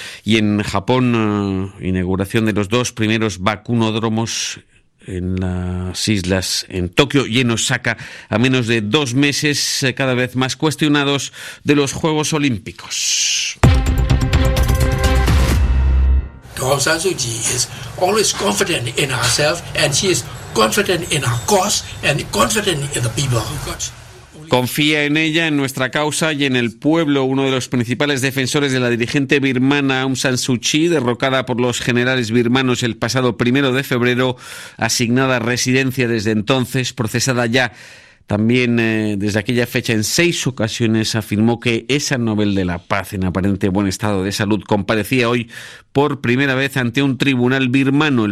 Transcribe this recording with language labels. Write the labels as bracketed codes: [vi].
[es] Y en Japón, inauguración de los 2 primeros vacunódromos en las islas, en Tokio y en Osaka, a menos de 2 meses, cada vez más cuestionados, de los Juegos Olímpicos. [en] Aung San Suu Kyi is always confident in herself, and she is confident in her cause and confident in the people. [es] Confía en ella, en nuestra causa y en el pueblo. Uno de los principales defensores de la dirigente birmana Aung San Suu Kyi, derrocada por los generales birmanos el pasado 1 de febrero, asignada residencia desde entonces, procesada ya también desde aquella fecha en 6 ocasiones, afirmó que esa Nobel de la Paz, en aparente buen estado de salud, comparecía hoy por primera vez ante un tribunal birmano.